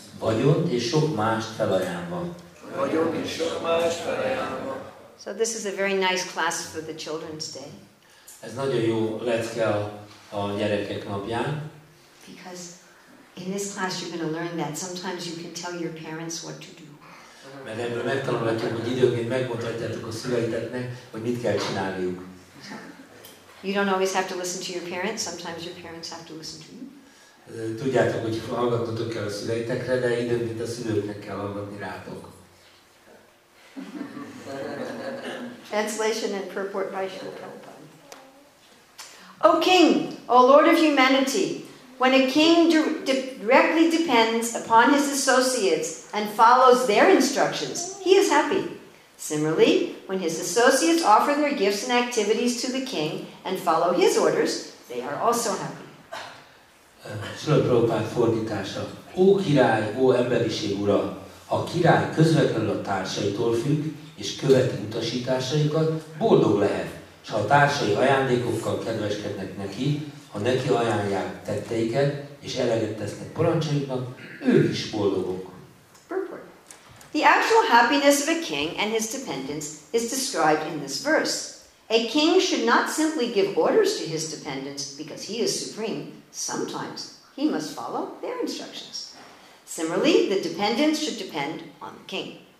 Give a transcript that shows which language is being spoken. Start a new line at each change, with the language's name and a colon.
Hungarian: Vagyont és sok mást felajánlva. Vagyont és sok mást felajánlva.
English: So this is a very nice class for the children's day.
Hungarian: Ez nagyon jó lecke a gyerekek napján.
English: Because in this class you're going to learn that sometimes you can tell your parents what to do.
Hungarian: Mert ebből megtanulhatjuk, hogy időként megmondhatjátok a szüleiteknek, hogy mit kell csinálniuk.
English: You don't always have to listen to your parents. Sometimes your parents have to listen to you.
Hungarian: Tudjátok, hogy hallgatnotok kell a szüleitekre, de időnként a szülőknek kell hallgatni rátok.
English: Translation and purport by Srila Prabhupada. O King, O Lord of humanity, when a king directly depends upon his associates and follows their instructions, he is happy. Similarly, when his associates offer their gifts and activities to the king and follow his orders, they are also happy.
Hungarian: Srila Prabhupada fordítása. O király, o emberiség ura, ha a király közvetlenül a társaitól függ, és követi utasításaikat, boldog lehet, s ha a társai ajándékokkal kedveskednek neki, ha neki ajánlják tetteiket, és eleget tesznek parancsaiknak, ők is boldogok.
English: Purport. The actual happiness of a king and his dependents is described in this verse. A king should not simply give orders to his dependents because he is supreme. Sometimes he must follow their instructions. Similarly, the dependents should depend on the king.